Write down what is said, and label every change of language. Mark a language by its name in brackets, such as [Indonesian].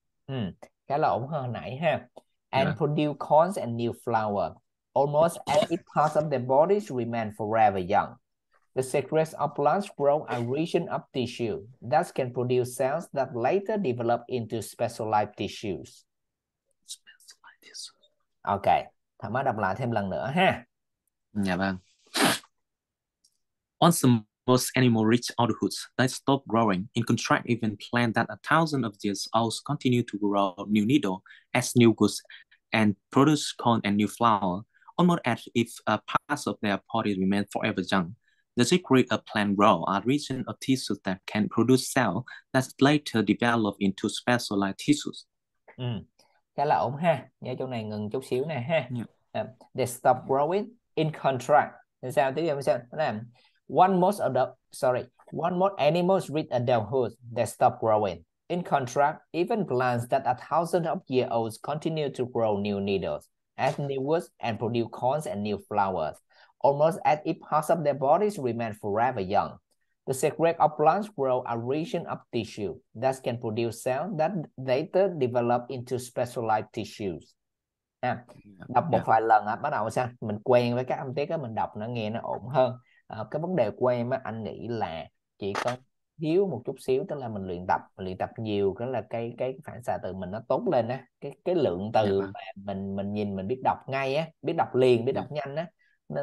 [Vietnamese] Ừ, khá là ổn hơn nãy ha. And [English] Yeah. produce corns and new flower. Almost as if parts of their bodies remain forever young. The secrets of plants grow a region of tissue that can produce cells that later develop into specialized tissues. [Vietnamese] Ok, thảo má đọc lại thêm lần nữa ha. Dạ vâng. [English] Once the most animal reach adulthood, they stop growing and contract even plants that a thousand of years old continue to grow new needles as new goods and produce corn and new flower, almost as if a part of their body remain forever young. The secret of plant growth are regions of tissues that can produce cells that later develop into specialized tissues. [Vietnamese] Ừ, khá là ổn ha. Nhớ chỗ này ngừng chút xíu nè ha. [English] Yeah. They stop growing in contract. [Vietnamese] Thế sao tiếp theo sao? Thế này. [English] One more animals reach adulthood, they stop growing. In contrast, even plants that are thousands of years old continue to grow new needles, add new woods, and produce corns and new flowers, almost as if parts of their bodies remain forever young. The secret of plants grow a region of tissue that can produce cells that later develop into specialized tissues. [Vietnamese] Đọc một vài lần á, bắt đầu sao mình quen với các âm tiết á, mình đọc nó nghe nó ổn hơn. Cái vấn đề của em á, anh nghĩ là chỉ có thiếu một chút xíu, tức là mình luyện tập nhiều, đó là cái phản xạ từ mình nó tốt lên á, cái lượng Dạ từ vâng. mà mình nhìn mình biết đọc ngay á, biết đọc liền, biết đọc nhanh á, nó